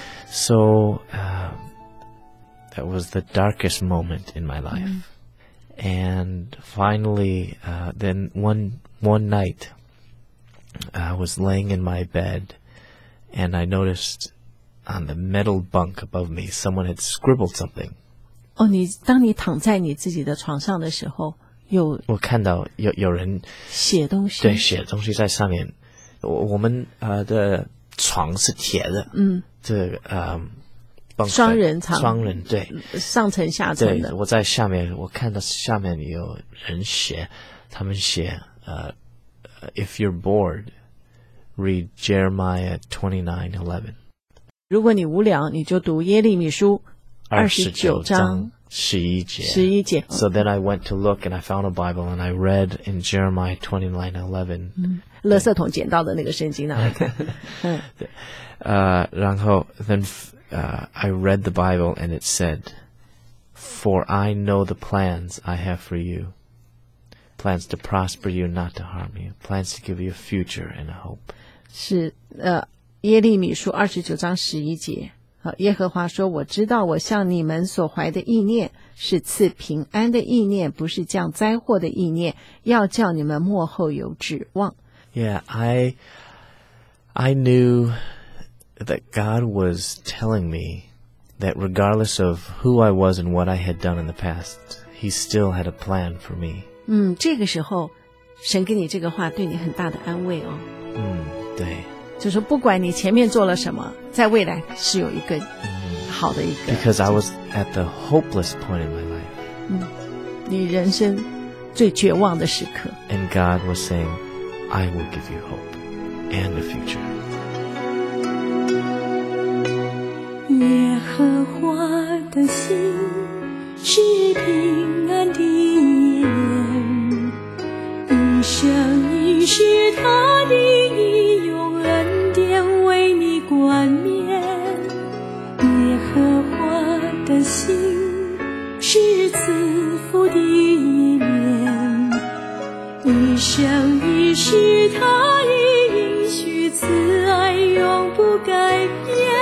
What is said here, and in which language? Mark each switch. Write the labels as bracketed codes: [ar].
[en] So, that was the darkest moment in my life. And finally, then one night, I was laying in my bed, and I noticed on the metal bunk above me, someone had scribbled something. [zh] 哦，你当你躺在你自己的床上的时候，有我看到有人写东西，对，写东西在上面。我们的床是铁的，嗯，这双人床，双人对，上层下层的。对，我在下面，我看到下面有人写，他们写 [en] If you're bored, read Jeremiah 29:11. [zh] 如果你无聊，你就读耶利米书。 29:11. [en] So then I went to look and I found a Bible and I read in Jeremiah 29:11. [zh] 垃圾桶捡到的那个圣经啊。然后 [en] I read the Bible and it said, For I know the plans I have for you. Plans to prosper you, not to harm you. Plans to give you a future and a hope. [zh] 是耶利米书29:11。耶和华说，我知道我向你们所怀的意念是赐平安的意念，不是降灾祸的意念，要叫你们末后有指望。 [en] Yeah, I knew that God was telling me that regardless of who I was and what I had done in the past, He still had a plan for me. [zh] 这个时候神给你这个话对你很大的安慰哦。对，就是不管你前面做了什么，在未来是有一个好的一个。 [en] Because I was at the hopeless point in my life. [zh] 你人生最绝望的时刻。 [en] And God was saying, I will give you hope and a future. [zh] 耶和华的的心是平安的眼，一生一世他的义用恩典为你冠冕，耶和华的心是赐福的脸，一生一世他的应许慈爱永不改变。